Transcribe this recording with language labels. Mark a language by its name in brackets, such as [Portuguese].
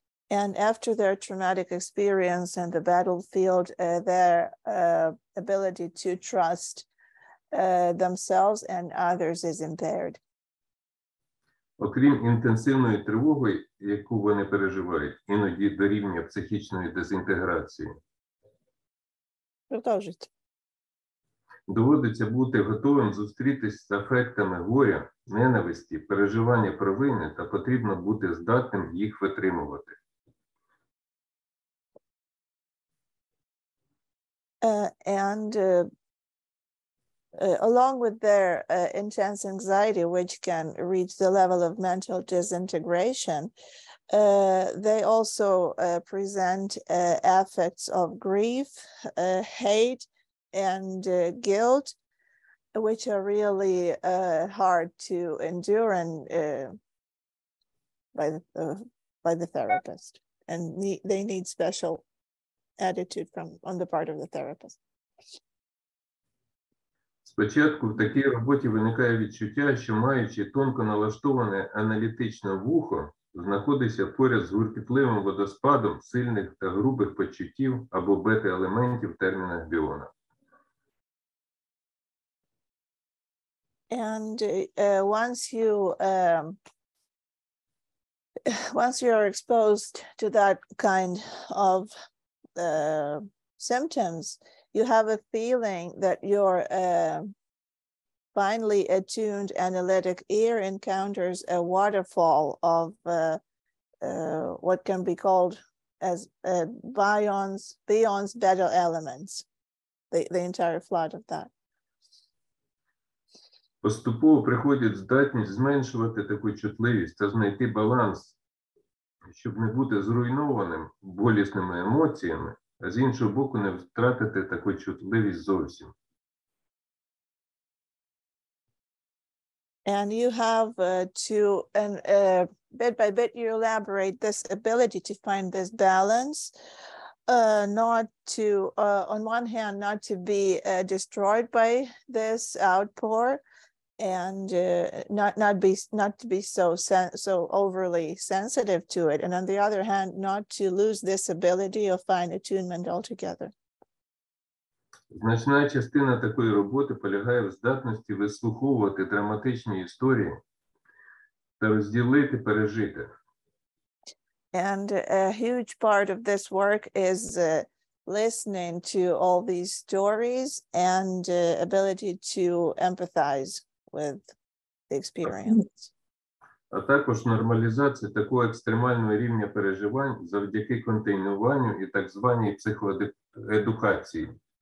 [English] And after their traumatic experience in the battlefield, their ability to trust themselves and others is impaired. [Ukrainian] Окрім інтенсивної тривоги, яку вони переживають, іноді до рівня психічної дезінтеграції. Продовжуйте. Доводиться бути готовим зустрітись з ефектами горя, ненависті, переживання провини, та потрібно бути здатним їх витримувати. [English] Along with their intense anxiety, which can reach the level of mental disintegration, they also present affects of grief, hate, and guilt, which are really hard to endure and by the therapist, and they need special attitude on the part of the therapist. [Ukrainian] Спочатку в такій роботі виникає відчуття, що маючи тонко налаштоване аналітичне вухо, знаходиться поряд з гуркітливим водоспадом сильних та грубих почуттів або бета-елементів терміна Біона. [English] And once you are exposed to that kind of symptoms, you have a feeling that your finely attuned analytic ear encounters a waterfall of what can be called as bions, beta elements, the entire flood of that. [Ukrainian] Поступово приходить здатність зменшувати таку чутливість та знайти баланс, щоб не бути зруйнованим болісними емоціями, а з іншого боку, не втратити таку чутливість зовсім. [English] And you have bit by bit you elaborate this ability to find this balance, on one hand, not to be destroyed by this outpour, and not to be so overly sensitive to it, and on the other hand, not to lose this ability of fine attunement altogether. [Ukrainian] Значна частина такої роботи полягає в здатності вислуховувати драматичні історії та розділити пережите. [English] And a huge part of this work is listening to all these stories and ability to empathize with the experience. [Ukrainian] А також нормалізація такого екстремального рівня переживань завдяки контейнуванню і так званій психоедукації.